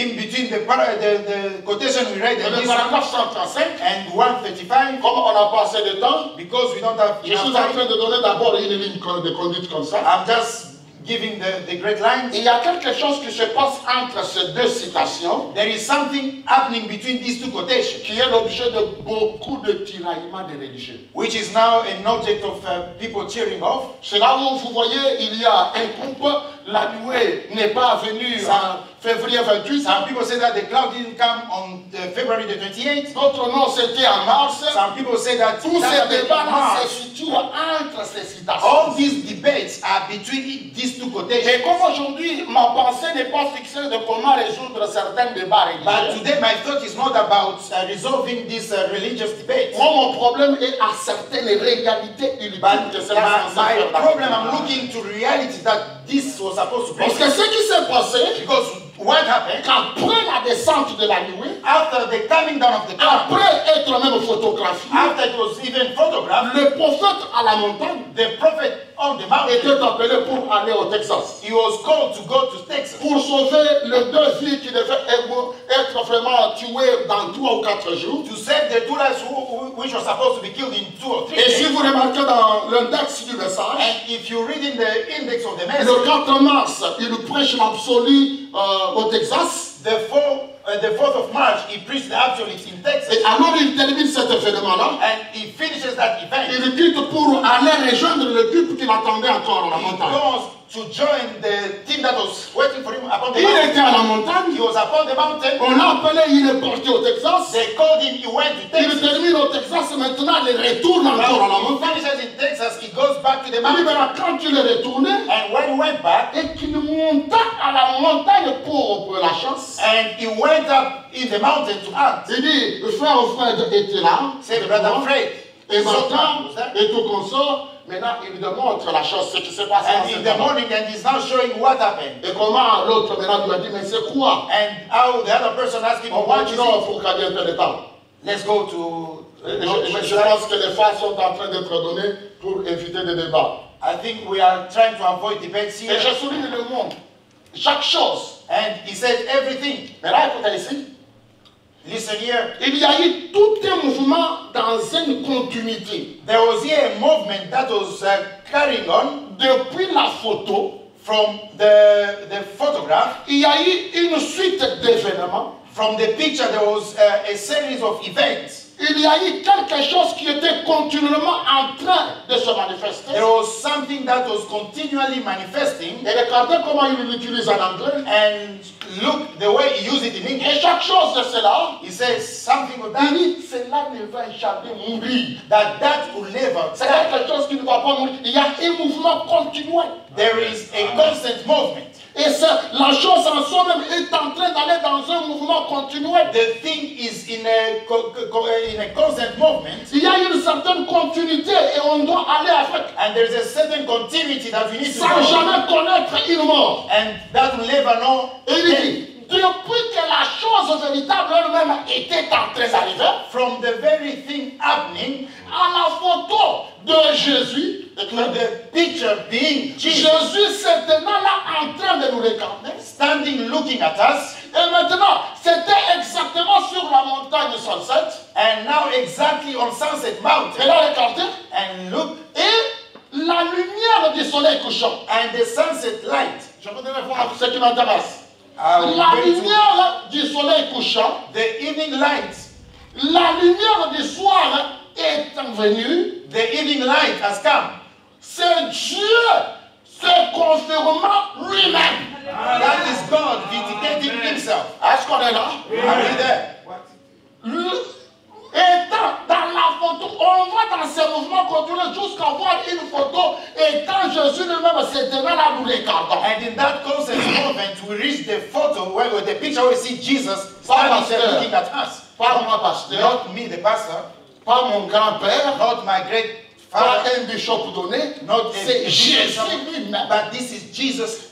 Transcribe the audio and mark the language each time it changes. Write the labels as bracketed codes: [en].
[en] In between the quotation we read. [fr] Le paragraphe 135. [en] And 135. [fr] Comment on a passé le temps? [en] Because we don't have [fr] je suis [en] time. [fr] En train de donner d'abord une ligne de conduite comme ça. [en] I'm just giving the great lines. [fr] Il y a quelque chose qui se passe entre ces deux citations. [en] There is something happening between these two quotations. [fr] Qui est l'objet de beaucoup de tiraillements de religieux. [en] Which is now an object of people cheering off. [fr] C'est là où vous voyez, il y a un groupe, la nuée n'est pas venue en février 28. [en] Some people say that the cloud didn't come on February the 28th. [fr] D'autres non, c'était en mars. [en] Some people say that [fr] tout ce débat se situe entre ces citations. [en] All these debates are between these two quotations. [fr] Mais comme aujourd'hui, ma pensée n'est pas fixée de comment résoudre certains débats religieux. [en] But today my thought is not about resolving this religious debate. [fr] Moi, mon problème est à certaines réalités urbaines. [en] But my problem, I'm looking to reality that this was supposed to be. [fr] Parce que ce qui s'est passé, [en] because what happened? [fr] Après la descente de la nuée, [en] after the coming down of the cloud, [fr] après être même photographié, [en] after it was even photographed, [fr] le prophète à la montagne, [en] the prophet on the mountain, [fr] était appelé pour aller au Texas. [en] He was called to go to Texas [fr] pour sauver les deux filles qui devaient être vraiment tuées dans 2 ou 4 jours. [en] To save the two lives which were supposed to be killed in 2 or 3 days. [fr] Et si vous remarquez dans l'index du message, [en] and if you read in the index of the message, [fr] le 4 mars, il prêche l'absolu. Au Texas, [en] the fourth of March, he preached the absolute in Texas. [fr] Et alors il termine cet événement-là. [en] And he finishes that event. [fr] Il quitte pour aller rejoindre le groupe qui l'attendait encore à la montagne. [en] He goes to join the team that was waiting for him upon the mountain. [fr] Il était à la montagne. [en] He was upon the mountain. [fr] On l'a appelé, il est parti au Texas. [en] They called him, he went to Texas. [fr] Il termine au Texas maintenant, il retourne encore à la montagne. [en] He finishes in Texas, he goes back to the mountain. [fr] Mais quand il est retourné, [en] and when he went back, [fr] et qu'il monta à la montagne pour la chance, [en] and he went up in the mountain to hunt. [fr] Il dit, le frère Fred était là. [en] Said, brother Fred. [fr] Et maintenant, et tout consort, maintenant il lui démontre la chose, ce qui s'est passé. [en] And in the morning, and he's now showing what happened. [fr] Et comment l'autre maintenant lui a dit, mais c'est quoi? [en] And how the other person asked him, what is it? [fr] Pour garder un peu de temps. [en] Let's go to. [fr] Je pense que les phases sont en train d'être données pour éviter des débats. [en] I think we are trying to avoid debates here. [fr] Et je souligne le monde. Chaque chose. [en] And he said everything. [fr] Mais là, écoutez ici. [en] Listen here. [fr] Il y a eu tout un mouvement dans une continuité. [en] There was here a movement that was carrying on. [fr] Depuis la photo. [en] From the photograph. [fr] Il y a eu une suite d'événements. [en] From the picture, there was a series of events. [fr] Il y a eu quelque chose qui était continuellement en train de se manifester. [en] There was something that was continually manifesting. [fr] Et regardez comment il l'utilise en anglais. [en] And look the way he used it in English. [fr] Et chaque chose de cela, [en] he says something of that. [fr] Il dit, cela ne va jamais mourir. [en] That will never. [fr] C'est quelque chose qui ne va pas mourir. Il y a un mouvement continuel. [en] There is a constant movement. [fr] Et ça, la chose en soi-même est en train d'aller dans un mouvement continuel. [en] The thing is in a constant movement. [fr] Il y a une certaine continuité et on doit aller avec. [en] And there is a certain continuity that we need to [fr] sans jamais connaître une mort. [en] And that will never know. [fr] Il dit, depuis que la chose véritable elle-même était en train d'arriver. [en] From the very thing happening. [fr] À la photo de Jésus. [en] The picture being Jesus. [fr] Jésus c'est maintenant là en train de nous regarder. [en] Standing looking at us. [fr] Et maintenant, c'était exactement sur la montagne Sunset. [en] And now exactly on Sunset Mountain. [fr] Et là, regardez. [en] And look. [fr] Et la lumière du soleil couchant. [en] And the sunset light. [fr] Je vous donne la ce qui m'intéresse. La lumière du soleil couchant. [en] The evening light. [fr] La lumière du soir est venue. [en] The evening light has come. [fr] C'est Dieu se confirmant lui-même. [en] That is God vindicating himself. [fr] Est-ce qu'on est là? [en] Are you there? [fr] Étant dans la photo, on va dans ce mouvement continuer jusqu'à voir une photo. Et quand Jésus lui-même s'est tenu là, nous regardons. [en] And in that constant moment, we reach the photo where the picture we see Jesus standing there looking at us. [fr] Pas moi, pasteur. [en] Not me, the pastor. [fr] Pas mon grand-père. [en] Not my great. Father, [fr] pas un bishop donné, [en] not [fr] c'est Jésus lui-même. [en] But this is Jesus